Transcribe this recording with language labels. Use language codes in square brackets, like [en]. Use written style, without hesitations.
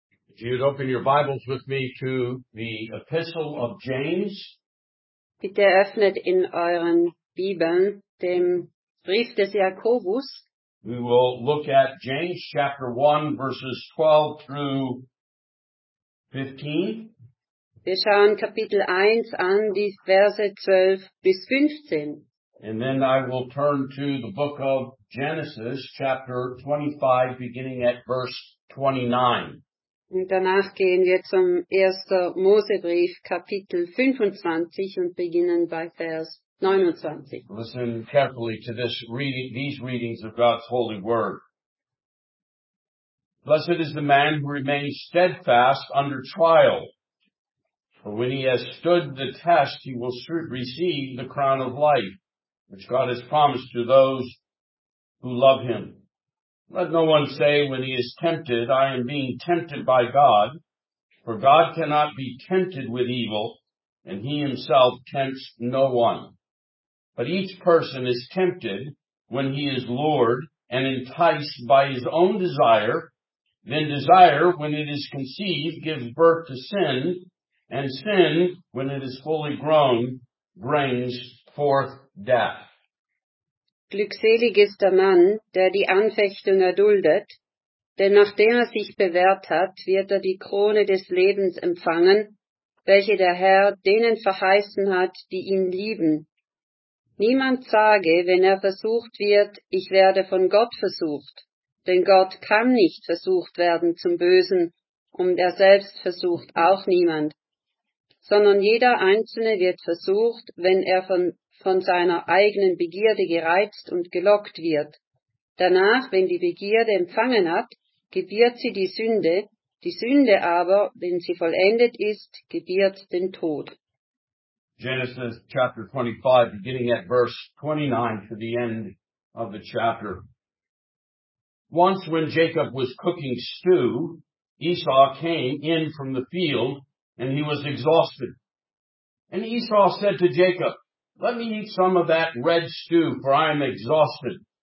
[en] If you'd open your Bibles with me to the Epistle of James. [de] Bitte öffnet in euren Bibeln dem Brief des Jakobus. [en] We will look at James chapter 1 verses 12 through 15. [de] Wir schauen Kapitel 1 an, die Verse 12 bis 15. [en] And then I will turn to the book of Genesis chapter 25 beginning at verse 29. [de] Und danach gehen wir zum 1. Mosebrief, Kapitel 25 und beginnen bei Vers 29. [en] Listen carefully to this reading, these readings of God's holy word. Blessed is the man who remains steadfast under trial. For when he has stood the test, he will receive the crown of life, which God has promised to those who love him. Let no one say when he is tempted, I am being tempted by God, for God cannot be tempted with evil, and he himself tempts no one. But each person is tempted when he is lured and enticed by his own desire. Then desire, when it is conceived, gives birth to sin, and sin, when it is fully grown, brings forth death. [de] Glückselig ist der Mann, der die Anfechtung erduldet, denn nachdem er sich bewährt hat, wird er die Krone des Lebens empfangen, welche der Herr denen verheißen hat, die ihn lieben. Niemand sage, wenn er versucht wird, ich werde von Gott versucht, denn Gott kann nicht versucht werden zum Bösen, und er selbst versucht auch niemand, sondern jeder Einzelne wird versucht, wenn er von seiner eigenen Begierde gereizt und gelockt wird. Danach, wenn die Begierde empfangen hat, gebiert sie die Sünde aber, wenn sie vollendet ist, gebiert den Tod. [en] Genesis chapter 25, beginning at verse 29 to the end of the chapter. Once when Jacob was cooking stew, Esau came in from the field, and he was exhausted. And Esau said to Jacob, let me eat some of that red stew, for I am exhausted.